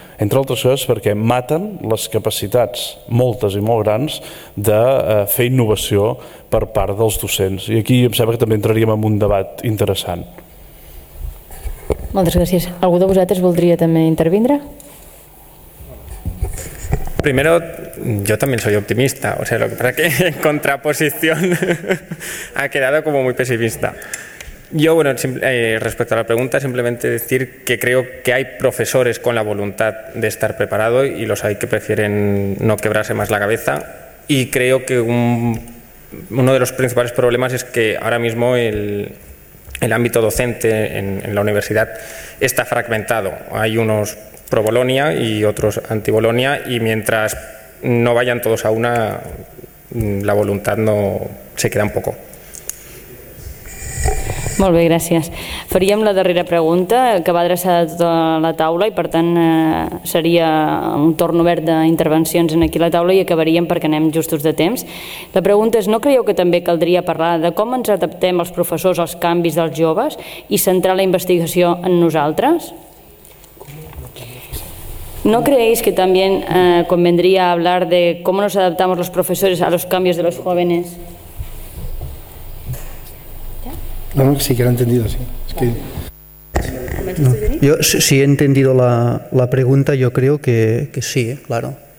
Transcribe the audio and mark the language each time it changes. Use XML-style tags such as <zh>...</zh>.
<ca>Entre altres coses perquè maten les capacitats, moltes i molt grans, de fer innovació per part dels docents. I aquí em sembla que també entraríem en un debat interessant. Moltes gràcies. Algú de vosaltres voldria també intervindre?</ca> <es>Primero, yo también soy optimista. O sea, lo que pasa es que en contraposición ha quedado como muy pesimista. Yo, bueno, respecto a la pregunta, simplemente decir que creo que hay profesores con la voluntad de estar preparado y los hay que prefieren no quebrarse más la cabeza. Y creo que uno de los principales problemas es que ahora mismo el ámbito docente en la universidad está fragmentado. Hay unos pro Bolonia y otros anti Bolonia y mientras no vayan todos a una, la voluntad no se queda un poco.</es> <ca>Molt bé, gràcies. Faríem la darrera pregunta que va adreçada a tota la taula i per tant seria un torn obert d'intervencions aquí a la taula i acabaríem perquè anem justos de temps. La pregunta és, no creieu que també caldria parlar de com ens adaptem els professors als canvis dels joves i centrar la investigació en nosaltres?</ca> <es>¿No creéis que también convendría hablar de cómo nos adaptamos los profesores a los cambios de los jóvenes? No, no, sí que lo he entendido, sí. Es que... no. Yo sí he entendido la pregunta, yo creo que sí, claro.</es>